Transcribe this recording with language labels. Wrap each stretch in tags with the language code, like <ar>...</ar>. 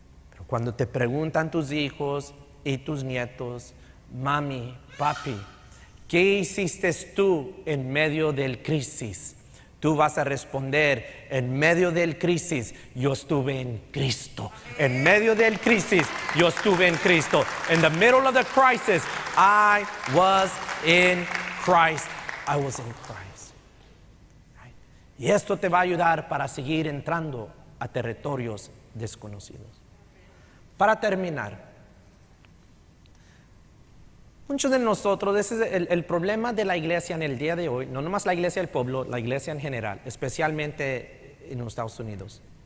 <es>Pero cuando te preguntan tus hijos y tus nietos, mami, papi, ¿qué hiciste tú en medio del crisis? Tú vas a responder, en medio del crisis, yo estuve en Cristo. En medio del crisis, yo estuve en Cristo.</es> <en>In the middle of the crisis, I was in Christ. I was in Christ.</en> <es>Y esto te va a ayudar para seguir entrando a territorios desconocidos. Para terminar, muchos de nosotros, ese es el problema de la iglesia en el día de hoy, no nomás la iglesia del pueblo, la iglesia en general, especialmente en los Estados Unidos.</es>